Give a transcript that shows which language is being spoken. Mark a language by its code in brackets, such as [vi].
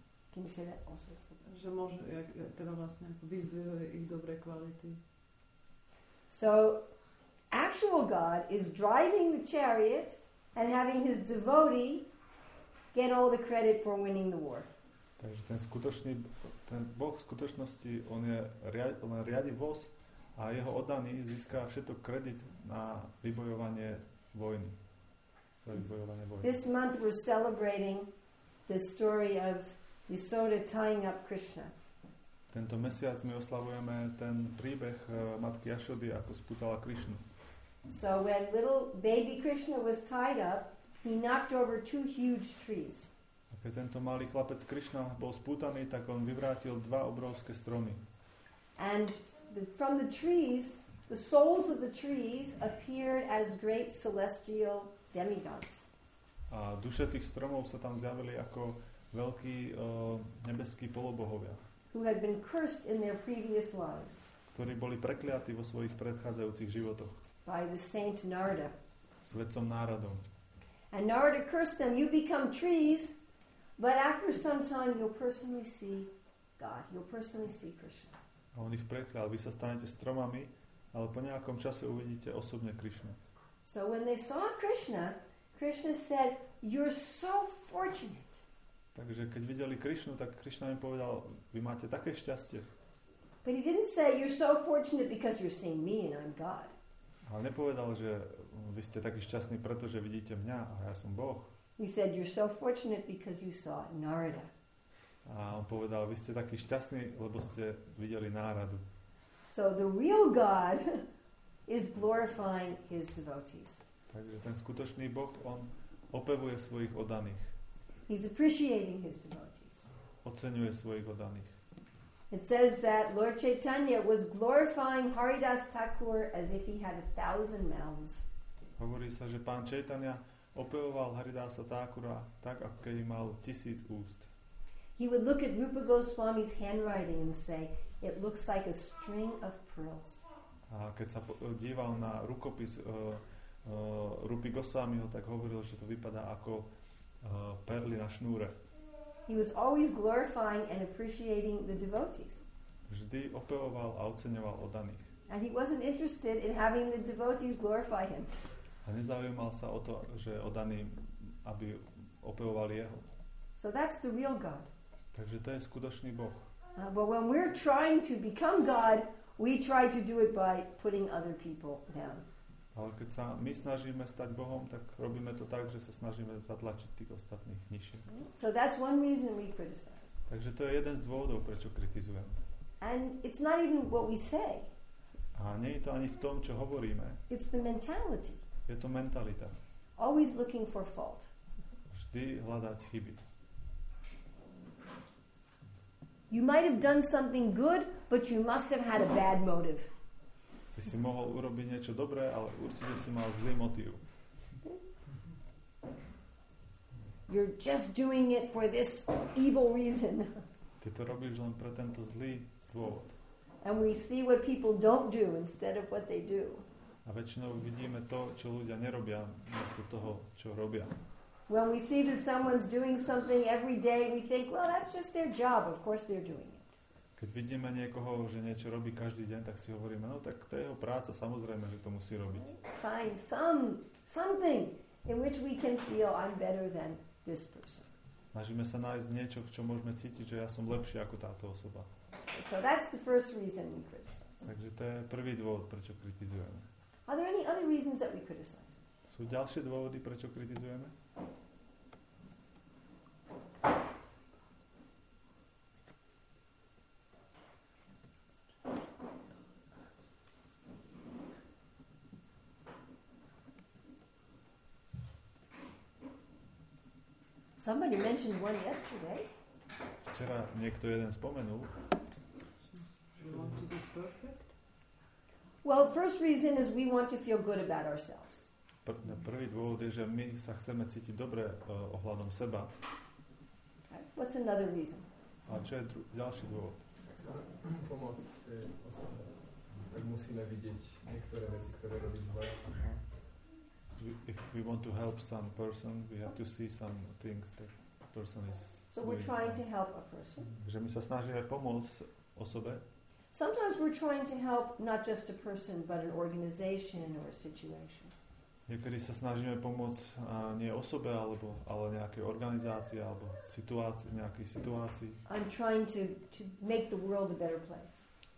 [en] Can you say that also? [sk] Že môže, jak, teda vlastne vyzdvihuje ich dobré kvality. [en] So, actual God is driving the chariot and having his devotee get all the credit for winning the war. [sk] Takže ten skutočný, ten Boh v skutočnosti, on je on riadi voz a jeho oddaný získá všetok kredit na vybojovanie vojny. [en] This month we're celebrating the story of Yasoda tying up Krishna. [sk] Tento mesiac my oslavujeme ten príbeh matky Yashody, ako spútala Krishnu. [en] So when little baby Krishna was tied up, he knocked over two huge trees. [sk] A keď tento malý chlapec Krishna bol spútaný, tak on vyvrátil dva obrovské stromy. [en] And from the trees, the souls of the trees appeared as great celestial demigods. [sk] A duše tých stromov sa tam zjavili ako veľkí nebeskí polobohovia. [en] Who had been cursed in their previous lives. [sk] Ktorí boli prekliatí vo svojich predchádzajúcich životoch. [en] By the saint Narada. [sk] Svetcom Náradom. [en] And Narada cursed them, you become trees, but after some time you'll personally see God, you'll personally see Krishna. [sk] A on ich preklial, vy sa stanete stromami, ale po nejakom čase uvidíte osobne Krishnu. [en] So when they saw Krishna, Krishna said, "You're so fortunate." [sk] Takže keď videli Krishnu, tak Krishna im povedal, vy máte také šťastie. [en] But he didn't say, "You're so fortunate because you're seeing me and I'm God." [sk] Ale nepovedal, že vy ste taký šťastný, pretože vidíte mňa a ja som Boh. [en] He said, "You're so fortunate because you saw Narada." [sk] A on povedal, vy ste taký šťastný, lebo ste videli Náradu. [en] So the real God is glorifying his devotees. [sk] Takže ten skutočný Boh, on opevuje svojich oddaných. [en] He's appreciating his devotees. [sk] Oceňuje svojich oddaných. [en] It says that Lord Chaitanya was glorifying Haridas Thakur as if he had 1,000 mouths. [sk] Hovorí sa, že pán Chaitanya opevoval Haridasa Thakura tak, ako keby mal 1,000 úst. [en] He would look at Rupa Goswami's handwriting and say, "It looks like a string of pearls." [sk] A keď sa díval na rukopis Rupy Goswamiho, tak hovoril, že to vypadá ako perly na šnúre. [en] He was always glorifying and appreciating the devotees. [sk] Vždy opevoval a oceňoval oddaných. [en] And he wasn't interested in having the devotees glorify him. [sk] A nezaujímal sa o to, že oddaní, aby opevovali jeho. [en] So that's the real God. [sk] Takže to je skutočný Boh. [en] But when we're trying to become God, we try to do it by putting other people down. [sk] Ale keď sa my snažíme stať Bohom, tak robíme to tak, že sa snažíme zatlačiť tých ostatných nižšie. [en] So that's one reason we criticize. [sk] Takže to je jeden z dôvodov, prečo kritizujem. [en] And it's not even what we say. [sk] A nie je to ani v tom, čo hovoríme. [en] It's the mentality. [sk] Je to mentalita. [en] Always looking for fault. [sk] Vždy hľadať chyby. [en] You might have done something good, but you must have had a bad motive. [sk] Ty si mohol urobiť niečo dobré, ale určite si mal zlý motív. [en] You're just doing it for this evil reason. [sk] Ty to robíš len pre tento zlý dôvod. [en] And we see what people don't do instead of what they do. [sk] A väčšinou vidíme to, čo ľudia nerobia, miesto toho, čo robia. [en] When we see that someone's doing something every day, we think, well, that's just their job. Of course they're doing it. [sk] Keď vidíme niekoho, že niečo robí každý deň, tak si hovoríme, no tak to je jeho práca, samozrejme, že to musí robiť. [en] Find something in which we can feel I'm better than this person. [sk] Snažíme sa nájsť niečo, v čom môžeme cítiť, že ja som lepší ako táto osoba. [en] So that's the first reason we criticize. [sk] Takže to je prvý dôvod, prečo kritizujeme. [en] Are there any other reasons that we criticize? [sk] Sú ďalšie dôvody, prečo kritizujeme? [en] Somebody mentioned one yesterday. [sk] Včera niekto jeden spomenul. [en] We want to be perfect. Well, first reason is we want to feel good about ourselves. [sk] Prvý dôvod je, že my sa chceme cítiť dobre ohľadom seba. [en] What's another reason? [sk] A čo je ďalší dôvod? Chceme pomôcť osobe. Tak musíme vidieť niektoré veci, ktoré robí zle. [en] If we want to help some person, we have to see some things that person is doing. So we're trying to help a person. [sk] Že my sa snažíme pomôcť osobe. [en] Sometimes we're trying to help not just a person, but an organization or a situation. [sk] Niekedy sa snažíme pomôcť nie osobe, ale nejakej organizácii alebo situácii, nejakej situácii. [en] I'm trying to make the world a better place.